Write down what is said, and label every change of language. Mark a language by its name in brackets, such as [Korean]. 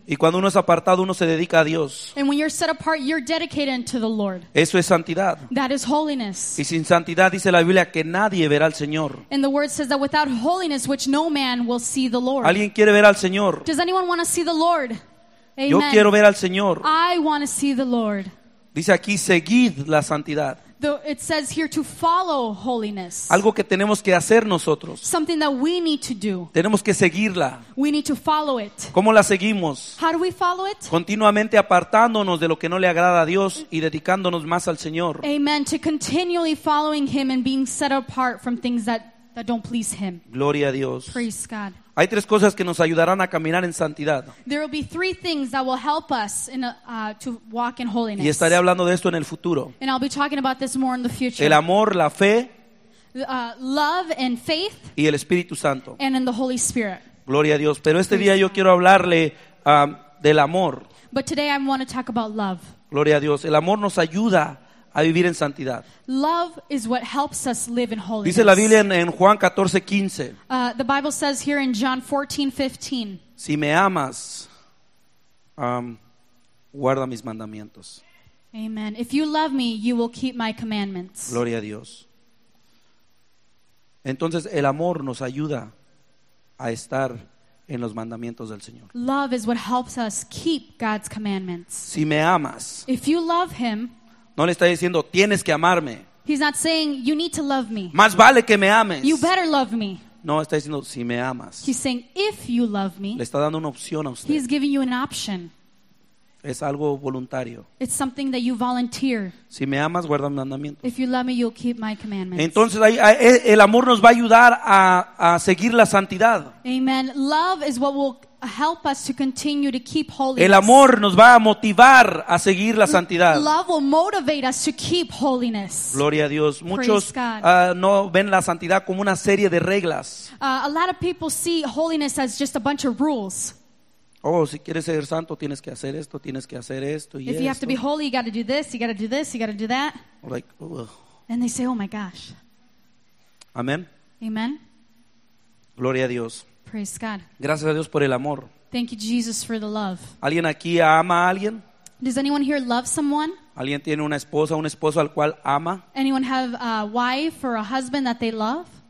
[Spanish] Y cuando uno es apartado, uno se dedica a Dios. [English] And when you're set apart, you're dedicated to the Lord. [Spanish] Eso es santidad. [English] That is holiness. [Spanish] Y sin santidad, dice la Biblia, que nadie verá al Señor. [English] And the word says that without holiness, which no man will see the Lord. [Spanish] ¿Alguien quiere ver al Señor? [English] Does anyone want to see the Lord? [Spanish] Amen. Yo quiero ver al Señor. [English] I want to see the Lord. [Spanish] Dice aquí, seguid la santidad. [English] It says here to follow holiness. [Spanish] Algo que tenemos que hacer nosotros. [English] Something that we need to do. [Spanish] Tenemos que seguirla. [English] We need to follow it. [Spanish] ¿Cómo la seguimos? [English] How do we follow it? [Spanish] Continuamente apartándonos de lo que no le agrada a Dios y dedicándonos más al Señor. [English] Amen. To continually following Him and being set apart from things that don't please Him. [Spanish] Gloria a Dios. [English] Praise God. [Spanish] Hay tres cosas que nos ayudarán a caminar en santidad. [English] There will be three things that will help us in to walk in holiness. [Spanish] Y estaré hablando de esto en el futuro. [English] And I'll be talking about this more in the future. [Spanish] El amor, la fe, [English] love and faith, [Spanish] y el Espíritu Santo. [English] And in the Holy Spirit. [Spanish] Gloria a Dios. Pero este día yo quiero hablarle del amor. [English] But today I want to talk about love. [Spanish] Gloria a Dios. El amor nos ayuda a vivir en santidad. [English] Love is what helps us live in holiness. [Spanish] Dice la Biblia en Juan 14:15. [English] The Bible says here in John 14:15. [Spanish] Si me amas, guarda mis mandamientos. [English] Amen. If you love me, you will keep my commandments. [Spanish] Gloria a Dios. Entonces el amor nos ayuda a estar en los mandamientos del Señor. [English] Love is what helps us keep God's commandments. [Spanish] Si me amas. [English] If you love him. [Spanish] No le está diciendo, tienes que amarme. [English] He's not saying, you need to love me. [Spanish] Más vale que me ames. [English] You better love me. [Spanish] No, está diciendo, si me amas. [English] He's saying, if you love me. [Spanish] Le está dando una opción a usted. [English] He's giving you an option. [Spanish] Es algo voluntario. [English] It's something that you volunteer. [Spanish] Si me amas, guarda mis mandamientos. [English] If you love me, you'll keep my commandments. [Spanish] Entonces, el amor nos va a ayudar a seguir la santidad. [English] Amen. Love is what will help us to continue to keep holiness. [Spanish] El amor nos va a motivar a seguir la santidad. [English] Love will motivate us to keep holiness. [Spanish] Gloria a Dios. Muchos no ven la santidad como una serie de reglas. [English] A lot of people see holiness as just a bunch of rules. [Spanish] Oh, si quieres ser santo, tienes que hacer esto, tienes que hacer esto y esto. [English] If you have to be holy, you got to do this, you got to do this, you got to do that. Like, ugh. And they say, oh my gosh. Amen. Amen. [Spanish] Gloria a Dios. [English] Praise God. [Spanish] Gracias a Dios por el amor. [English] Thank you, Jesus, for the love. [Spanish] ¿Alguien aquí ama a alguien? [English] Does anyone here love someone? [Spanish] ¿Alguien tiene una esposa, un esposo al cual ama? [English] Anyone have a wife or a husband that they love?